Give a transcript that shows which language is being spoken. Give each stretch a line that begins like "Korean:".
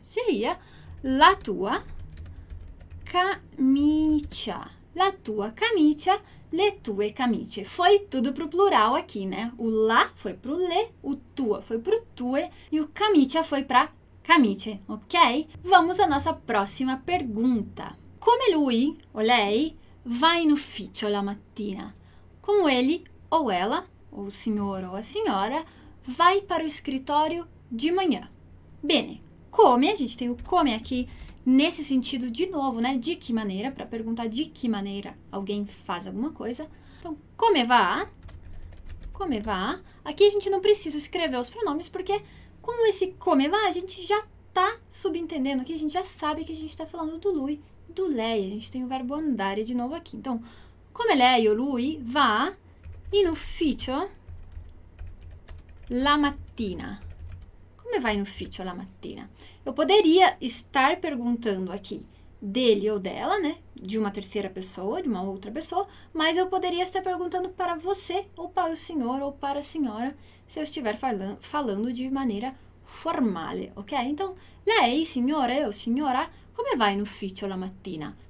Italian: Seria la tua camicia. La tua camicia, le tue camicie.
Portuguese: Foi tudo pro plural aqui, né? O la foi pro le, o tua foi pro tue e o camicia foi pra camicie, ok? Vamos à nossa próxima pergunta.
Italian: Come lui ou lei vai in ufficio la mattina?
Portuguese: Como ele ou ela, ou o senhor ou a senhora, vai para o escritório de manhã? Bene. Come, a gente tem o come aqui nesse sentido de novo, né? De que maneira, para perguntar de que maneira alguém faz alguma coisa. Então,
Italian: come va?
Portuguese: Come va? Aqui a gente não precisa escrever os pronomes, porque com esse come va, a gente já tá subentendendo aqui, a gente já sabe que a gente está falando do lui, do lei. A gente tem o verbo andare de novo aqui.
Italian: Então, come lei ou lui va in ufficio la mattina. Come vai no ufficio la mattina?
Portuguese: Eu poderia estar perguntando aqui dele ou dela, né? De uma terceira pessoa, de uma outra pessoa, mas eu poderia estar perguntando para você, ou para o senhor, ou para a senhora, se eu estiver falando de maneira formale, ok?
Italian: Então, lei, signore ou signora, come vai no ufficio la mattina?